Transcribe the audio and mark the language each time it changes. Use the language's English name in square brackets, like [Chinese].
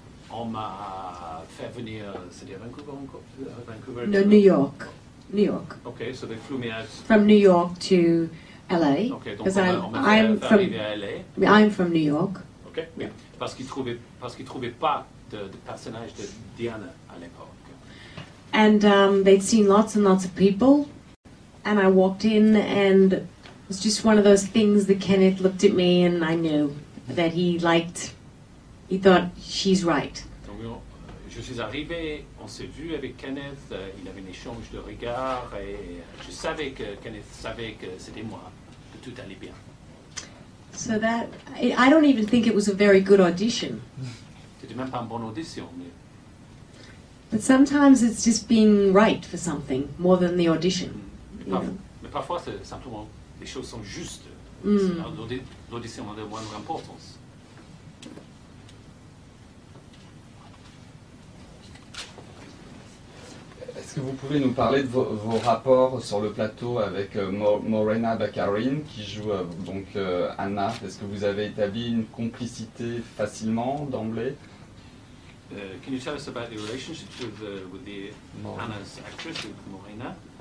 [French] On m'a fait venir, c'était à Vancouver encore? Vancouver. [English] No, New York. New York. Okay, so they flew me out. From New York to LA. [French] Okay, donc [English] I'm from New York. Okay, yeah. [French] Parce qu'ils trouvaient pas de personnage de Diana à l'époque. [English] And they'd seen lots and lots of people, and I walked in, and it was just one of those things that Kenneth looked at me, and I knew that he liked, he thought, she's right. [French] Donc, je suis arrivé, on s'est vu avec Kenneth, il avait un échange de regards, et je savais que Kenneth savait que c'était moi, que tout allait bien. [English] So that, I don't even think it was a very good audition. [French] C'était même pas une bonne audition, mais... [English] But sometimes it's just being right for something more than the audition. [French] Mais parfois c'est simplement les choses sont justes. L'audition a de moindre importance. Est-ce que vous pouvez nous parler de vos rapports sur le plateau avec Morena Baccarin qui joue donc Anna? Est-ce que vous avez établi une complicité facilement d'emblée? [English] Can you tell us about the relationship with the Anna's actress, with Morena?